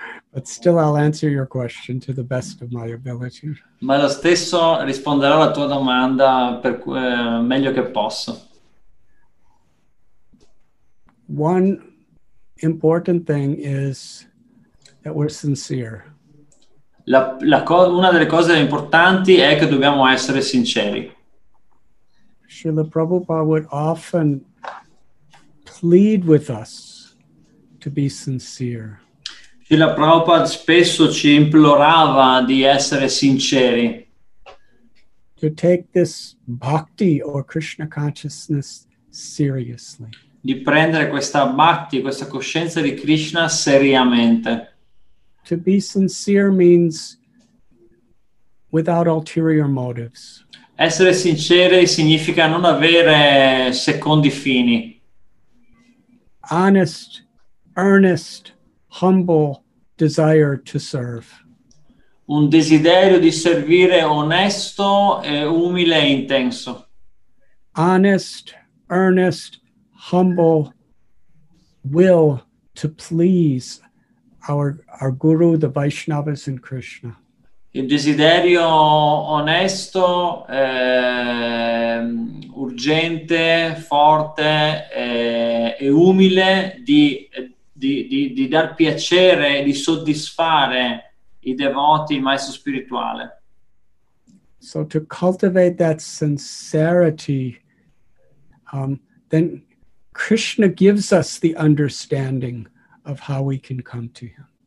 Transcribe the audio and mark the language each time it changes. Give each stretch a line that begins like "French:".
English: But still I'll answer your question to the best of my ability.
Italian: Ma lo stesso risponderò alla tua domanda per meglio che posso.
English: One important thing is that we're sincere.
Italian: Una delle cose importanti è che dobbiamo essere sinceri.
English: Srila Prabhupada would often plead with us to be sincere.
Italian: Srila Prabhupada spesso ci implorava di essere sinceri.
English: To take this bhakti or Krishna consciousness seriously.
Italian: Di prendere questa bhakti, questa coscienza di Krishna seriamente.
English: To be sincere means without ulterior motives.
Italian: Essere sincere significa non avere secondi fini.
English: Honest, earnest, humble desire to serve.
Italian: Un desiderio di servire onesto, umile e intenso.
English: Honest, earnest, humble will to please our guru, the Vaishnavas and Krishna.
Italian: Il desiderio onesto, urgente, forte e umile di dar piacere e di soddisfare i devoti, il maestro spirituale.
English: So to cultivate that sincerity, then Krishna gives us the understanding of how we can come to him.